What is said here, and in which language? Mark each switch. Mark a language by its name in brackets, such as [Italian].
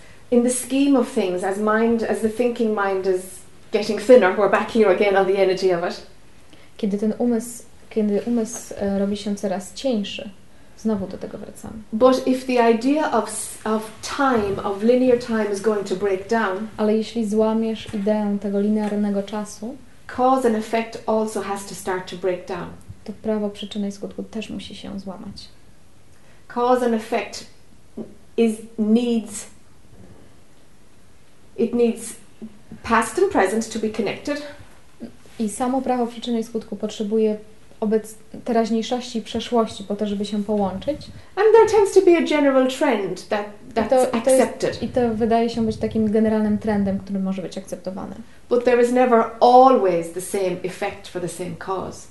[English] In the scheme of things, as the thinking mind is getting thinner, we're back here again on the energy of it. [Polish] Kiedy umysł robi się coraz cieńszy, znowu do tego wracamy. [English] But if the idea of time, of linear time, is going to break down, [Polish] ale jeśli złamiesz ideę tego linearnego czasu, [English] cause and effect also has to start to break down. [Polish] To prawo przyczyny i skutku też musi się złamać. [English] Cause and effect needs past and present to be connected. [Polish] I samo prawo przyczyny i skutku potrzebuje teraźniejszości i przeszłości po to, żeby się połączyć. [English] And there tends to be a general trend that's accepted. [Polish] I to wydaje się być takim generalnym trendem, który może być akceptowany. [English] But there is never always the same effect for the same cause.